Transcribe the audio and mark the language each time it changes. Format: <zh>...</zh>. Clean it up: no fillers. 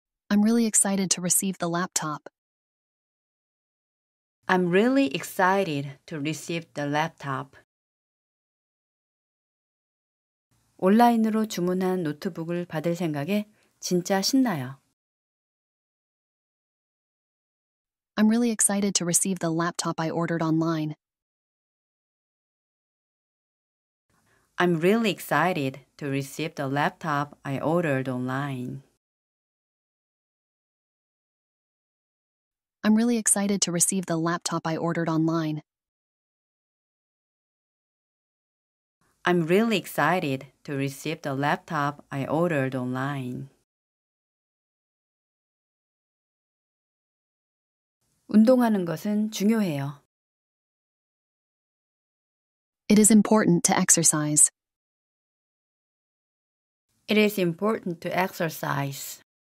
<en>I'm really excited to receive the laptop. I'm really excited to receive the laptop.</en> <ko>온라인으로 주문한 노트북을 받을 생각에 진짜 신나요.</ko> <en>I'm really excited to receive the laptop I ordered online. I'm really excited to receive the laptop I ordered online. I'm really excited to receive the laptop I ordered online. I'm really excited to receive the laptop I ordered online.</en> <ko>운동하는 것은 중요해요.</ko> <en>It is important to exercise. It is important to exercise.</en>